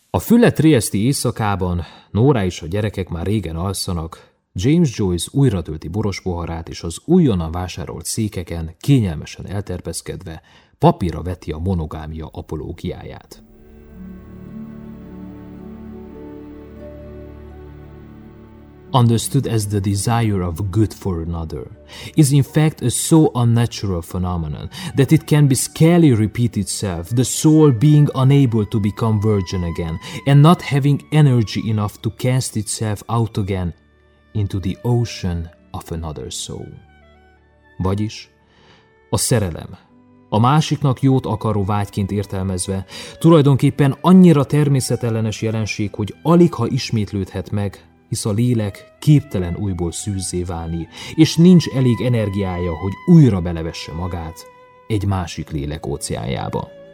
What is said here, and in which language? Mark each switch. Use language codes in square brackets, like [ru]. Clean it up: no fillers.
[hu] füllet trieszti éjszakában Nora és a gyerekek már régen alszanak, James Joyce újra tölti borospoharát, és az újonnan vásárolt székeken kényelmesen elterpeszkedve papírra veti a monogámia apológiáját. [en] Understood as the desire of good for another, is in fact a so unnatural phenomenon that it can be scarcely repeat itself, the soul being unable to become virgin again, and not having energy enough to cast itself out again into the ocean of another soul. [hu] Vagyis, a szerelem, a másiknak jót akaró vágyként értelmezve, tulajdonképpen annyira természetellenes jelenség, hogy alig ha ismétlődhet meg, hisz a lélek képtelen újból szűzzé válni, és nincs elég energiája, hogy újra belevesse magát egy másik lélek óceánjába.